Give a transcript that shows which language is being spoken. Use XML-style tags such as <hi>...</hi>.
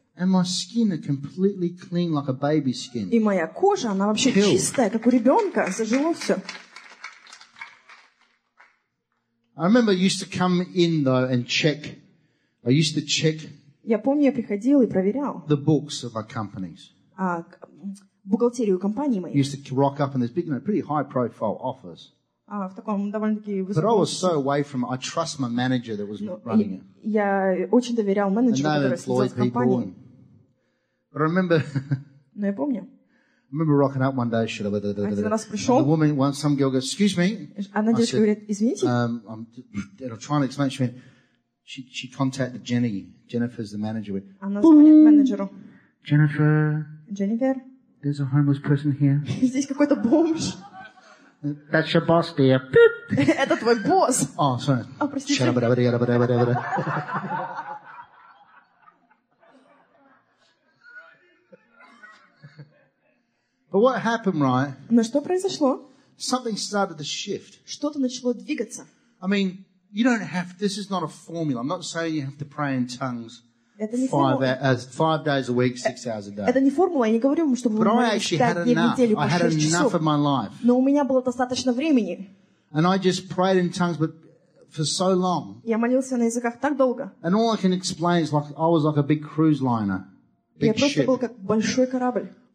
<en>And my skin is completely clean, like a baby's skin.</en> <ru>И моя кожа, она вообще</ru> <en>Killed.</en> <ru>Чистая, как у ребенка, зажило все.</ru> <en>I remember I used to come in though and check. I used to check.</en> <ru>Я помню, я приходил и проверял.</ru> <en>The books of our companies.</en> <ru>Бухгалтерию компании моей.</ru> <en>Used to rock up in this big, you know, pretty high-profile office.</en> <ru>В таком довольно-таки.</ru> <en>But I was so away from. I trust my manager that was running it.</en> <ru>Я очень доверял менеджеру, который сидел в компании.</ru> <en>But I remember.</en> <ru>Но я помню.</ru> <en>Remember rocking up one day. Should I?</en> <ru>Один раз пришел.</ru> <en>The woman, one, some girl goes, "Excuse me."</en> <ru>Она девушка говорит, извините.</ru> <en>I'm trying to explain. She went, she contacted Jenny. Jennifer's the manager.</en> <ru>Она звонит менеджеру.</ru> <en>Jennifer. There's a homeless person here.</en> <ru>Здесь какой-то бомж.</ru> <en>That's your boss, dear.</en> <ru>Это твой босс.</ru> <en>Oh, sorry.</en> <ru>Oh, простите.</ru> <en>But what happened, right?</en> <ru>Но что произошло?</ru> <en>Something started to shift.</en> <ru>Что-то начало двигаться.</ru> <en>I mean, you don't have. This is not a formula. I'm not saying you have to pray in tongues. Five days a week, 6 hours a day.</en> <ru>Это не формула, я не говорю вам, чтобы вы молились 5 дней в неделю по 6 часов.</ru> <en>Of my life.</en> <ru>Но у меня было достаточно времени.</ru> <en>And I just prayed in tongues, but for so long.</en> <ru>Я молился на языках так долго.</ru> <en>And all I can explain is like I was like a big cruise liner, big</en> <ru>Я просто</ru> <en>ship.</en> <ru>Был как большой корабль.</ru>